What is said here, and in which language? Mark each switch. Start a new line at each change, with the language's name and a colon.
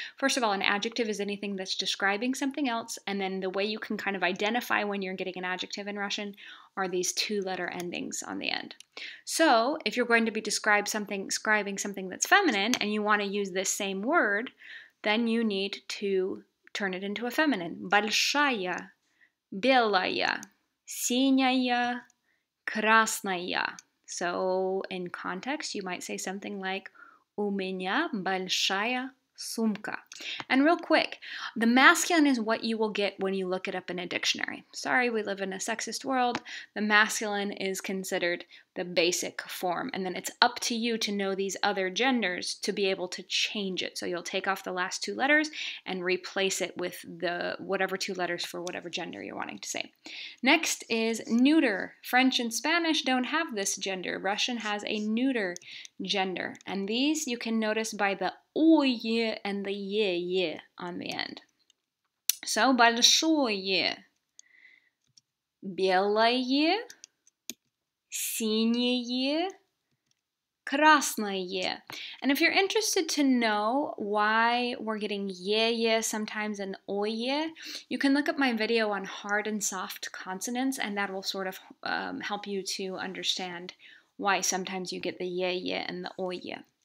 English: First of all, an adjective is anything that's describing something else, and then the way you can kind of identify when you're getting an adjective in Russian are these two-letter endings on the end. So if you're going to be describing something that's feminine and you want to use this same word, then you need to turn it into a feminine.
Russian: Большая, белая, синяя, красная.
English: So in context, you might say something like,
Russian: у меня большая сумка.
English: And real quick, the masculine is what you will get when you look it up in a dictionary. Sorry, we live in a sexist world. The masculine is considered the basic form. And then it's up to you to know these other genders to be able to change it. So you'll take off the last two letters and replace it with the whatever two letters for whatever gender you're wanting to say. Next is neuter. French and Spanish don't have this gender. Russian has a neuter gender. And these you can notice by the ой, е, and the е, е on the end.
Russian: So, большое, белое, синее, красное.
English: And if you're interested to know why we're getting е, е sometimes and ой, е, you can look up my video on hard and soft consonants, and that will sort of help you to understand why sometimes you get the е, е and the ой, е.